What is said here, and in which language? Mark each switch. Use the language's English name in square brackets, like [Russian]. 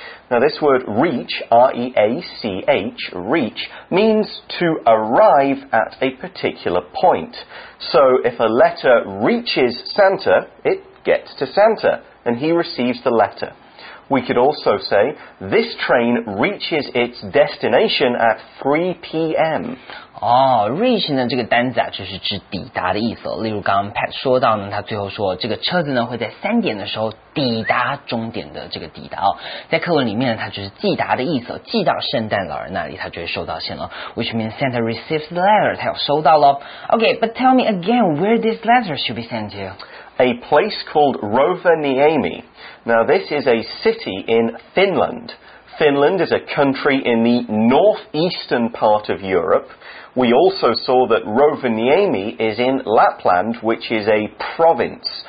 [English] Now this word reach, R-E-A-C-H, reach, means to arrive at a particular point. So if a letter reaches Santa, it gets to Santa, and he receives the letter. We could also say, this train reaches its destination at 3 p.m. [Chinese] 哦、oh, ,reach 呢这个单字啊就是指抵达的意思、哦。例如刚刚 Pat 说到呢他最后说这个车子呢会在三点的时候抵达终点的这个抵达、哦。在课文里面呢它就是寄达的意思、哦、寄到圣诞老人那里他就会收到信了。 Which means Santa receives the letter, 他有收到咯。 [English] Okay, but tell me again where this letter should be sent to. A place called Rovaniemi. Now, this is a city in Finland. Finland is a country in the northeastern part of Europe. We also saw that Rovaniemi is in Lapland, which is a province.